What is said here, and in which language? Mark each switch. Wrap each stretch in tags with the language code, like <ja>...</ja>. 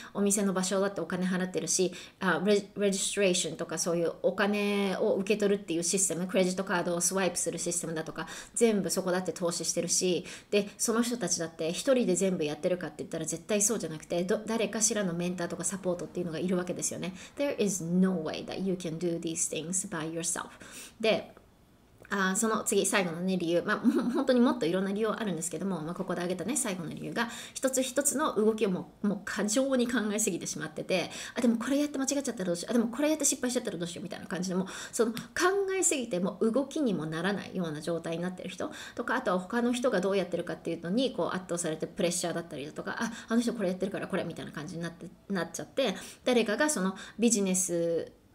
<ja>お店の場所だってお金払ってるし、Registration とかそういうお金を受け取るっていうシステム、クレジットカードをスワイプするシステムだとか、全部そこだって投資してるし、で、その人たちだって一人で全部やってるかって言ったら絶対そうじゃなくて、誰かしらのメンターとかサポートっていうのがいるわけですよね。</ja> <en>There's no way that you can do these things by yourself.</en> <ja>で、その次、最後の、ね、理由、まあ、本当にもっといろんな理由あるんですけども、まあ、ここで挙げた、ね、最後の理由が、一つ一つの動きをもう過剰に考えすぎてしまってて、あ、でもこれやって間違っちゃったらどうしよう、あ、でもこれやって失敗しちゃったらどうしようみたいな感じで、もうその考えすぎても動きにもならないような状態になってる人とか、あとは他の人がどうやってるかっていうのにこう圧倒されてプレッシャーだったりだとか、あの人これやってるからこれみたいな感じになって、なっちゃって、誰かがそのビジネス</ja>